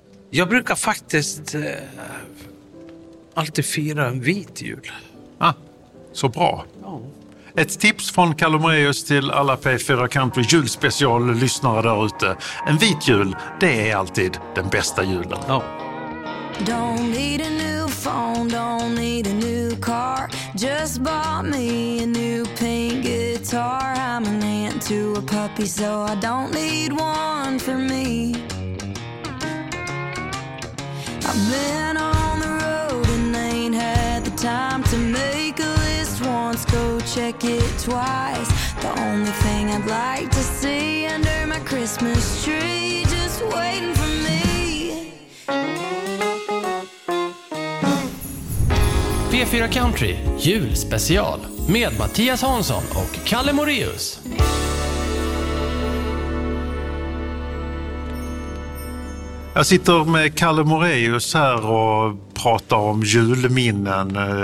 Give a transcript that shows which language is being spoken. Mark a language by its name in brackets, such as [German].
[Swedish] Jag brukar faktiskt alltid fira en vit jul. Ah, så bra. Ja. Ett tips från Kalle Moreus till alla P4 Country julspecial-lyssnare där ute. En vit jul, det är alltid den bästa julen. Ja. [English] Don't need a new phone, don't need a new car. Just bought me a new pink guitar. I'm an aunt to a puppy so I don't need one for me. I've been on the road and ain't had the time to make a list once, go check it twice. The only thing I'd like to see under my Christmas tree just waiting for me. [Swedish] P4 Country julspecial med Mattias Hansson och Kalle Moreus. Jag sitter med Kalle Moreus här och pratar om julminnen.